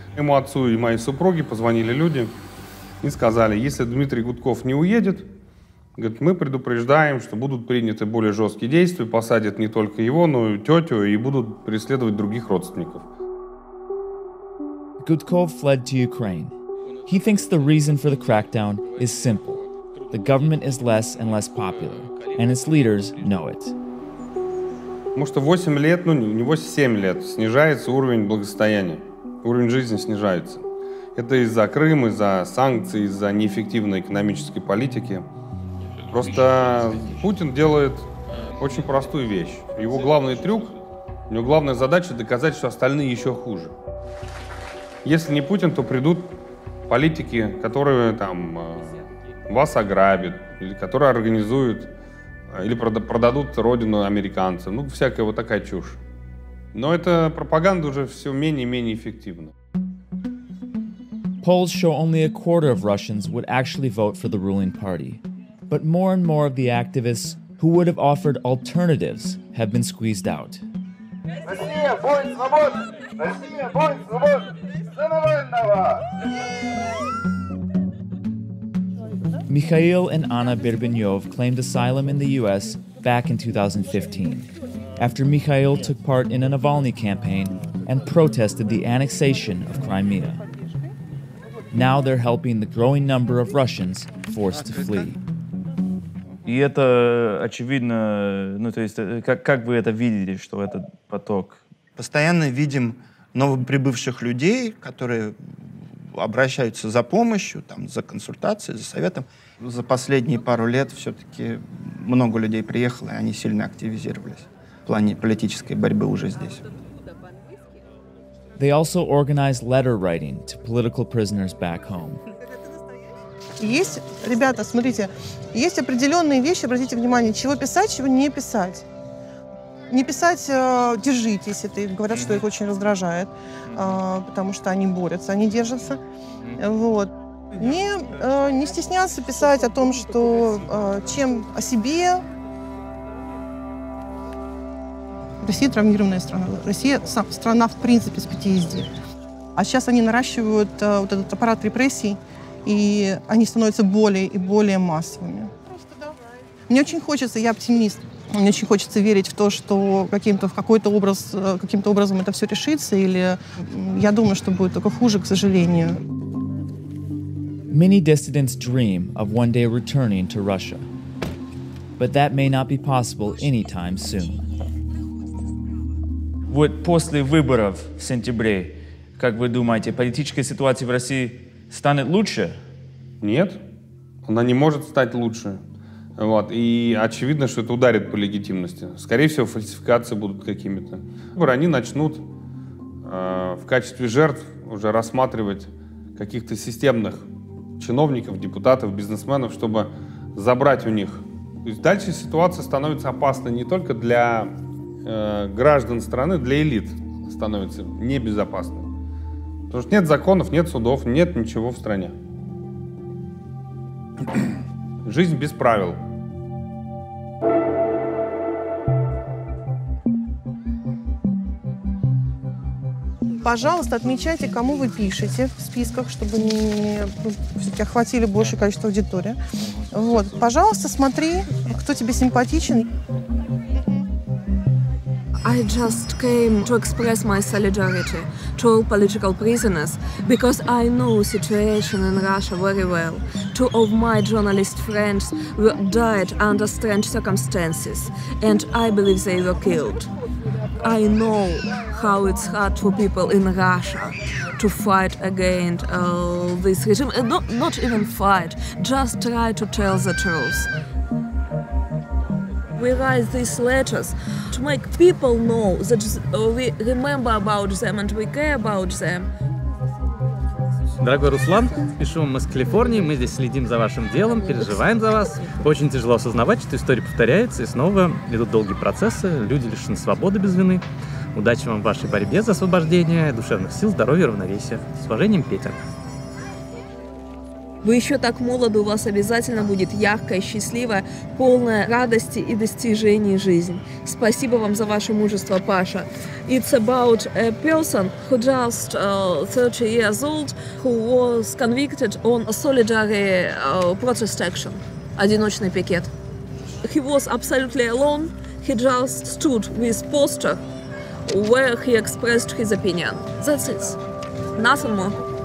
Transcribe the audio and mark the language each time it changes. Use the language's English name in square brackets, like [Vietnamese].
[Russian] Ему отцу и моей супруге позвонили люди и сказали, если Дмитрий Гудков не уедет, говорит, мы предупреждаем, что будут приняты более жесткие действия, посадят не только его, но и тетю, и будут преследовать других родственников. [English] Гудков fled to Ukraine. He thinks the reason for the crackdown is simple. The government is less and less popular, and its leaders know it. [Russian] Может, 8 лет, ну, не 8, 7 лет, снижается уровень благосостояния, уровень жизни снижается. Это из-за Крыма, из-за санкций, из-за неэффективной экономической политики. Просто Путин делает очень простую вещь. Его главный трюк, у него главная задача – доказать, что остальные еще хуже. Если не Путин, то придут политики, которые там вас ограбят, или которые организуют, или продадут родину американцам. Ну, всякая вот такая чушь. Но эта пропаганда уже все менее и менее эффективна. [English] Polls show only a quarter of Russians would actually vote for the ruling party. But more and more of the activists who would have offered alternatives have been squeezed out. [Russian] Россия, бой, свобода! Россия, бой, свобода! За Навального! [English] Mikhail and Anna Birbinyov claimed asylum in the US back in 2015, after Mikhail took part in a Navalny campaign and protested the annexation of Crimea. Now they're helping the growing number of Russians forced to flee. [Russian] И это очевидно, ну то есть как вы это видели, что этот поток? Постоянно видим новоприбывших людей, которые обращаются за помощью, там, за консультацией, за советом. За последние пару лет все-таки много людей приехало, и они сильно активизировались в плане политической борьбы уже здесь. [English] They also organize letter writing to political prisoners back home. [Russian] Есть, ребята, смотрите, есть определенные вещи, обратите внимание, чего писать, чего не писать. Не писать, держитесь, это говорят, что их очень раздражает, потому что они борются, они держатся. Вот. Не стесняться писать о том, что чем о себе. Россия травмированная страна. Россия страна, в принципе, с PTSD. А сейчас они наращивают вот этот аппарат репрессий, и они становятся более и более массовыми. Мне очень хочется, я оптимист, мне очень хочется верить в то, что каким-то образом это все решится, или я думаю, что будет только хуже, к сожалению. [English] Many dissidents dream of one day returning to Russia. But that may not be possible anytime soon. [Russian] Вот после выборов в сентябре, как вы думаете, политическая ситуация в России станет лучше? Нет, она не может стать лучше. Вот. И очевидно, что это ударит по легитимности. Скорее всего, фальсификации будут какими-то. Они начнут в качестве жертв уже рассматривать каких-то системных чиновников, депутатов, бизнесменов, чтобы забрать у них. И дальше ситуация становится опасной не только для граждан страны, для элит становится небезопасной. Потому что нет законов, нет судов, нет ничего в стране. Жизнь без правил. Пожалуйста, отмечайте, кому вы пишете в списках, чтобы не охватили большее количество аудитории. Вот. Пожалуйста, смотри, кто тебе симпатичен. [English] I just came to express my solidarity to all political prisoners because I know situation in Russia very well. Two of my journalist friends died under strange circumstances and I believe they were killed. I know how it's hard for people in Russia to fight against this regime. Not even fight, just try to tell the truth. We write these letters to make people know that we remember about them and we care about them. [Russian] Дорогой Руслан, пишу вам из Калифорнии, мы здесь следим за вашим делом, переживаем за вас. Очень тяжело осознавать, что история повторяется, и снова идут долгие процессы, люди лишены свободы без вины. Удачи вам в вашей борьбе за освобождение, душевных сил, здоровья, равновесия. С уважением, Петя. Вы еще так молоды, у вас обязательно будет яркая, счастливая, полная радости и достижений жизнь. Спасибо вам за ваше мужество, Паша. [English] It's about a person who just 30 years old, who was convicted on a solidary protest action. [Russian] Одиночный пикет. [English] He was absolutely alone. He just stood with poster where he expressed his opinion. That's it. Nothing more.